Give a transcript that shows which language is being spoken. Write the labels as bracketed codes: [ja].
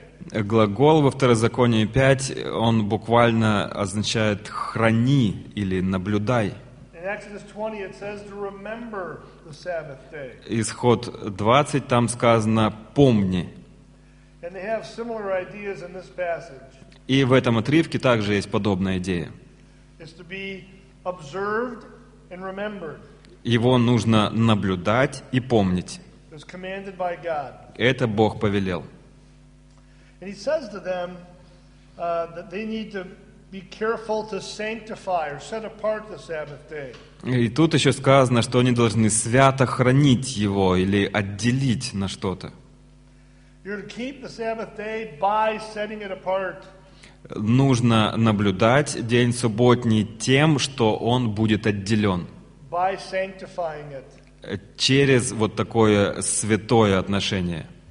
[ru] Глагол во Второзаконии 5, он буквально означает «храни» или «наблюдай». [en] In Exodus 20, it says to remember the Sabbath day. [ru] Исход 20, там сказано «помни». [en] And they have similar ideas in this passage. [ru] И в этом отрывке также есть подобная идея. [en] It's to be observed and remembered. [ru] Его нужно наблюдать и помнить. [en] It was commanded by God. [ru] Это Бог повелел. [en] And he says to them that they need to be careful to sanctify or set apart the Sabbath day. [ru] И тут еще сказано, что они должны свято хранить его или отделить на что-то. [en] You're to keep the Sabbath day by setting it apart. [ru] Нужно наблюдать день субботний тем, что он будет отделен. [en] By sanctifying it. [ru] через вот такое святое отношение.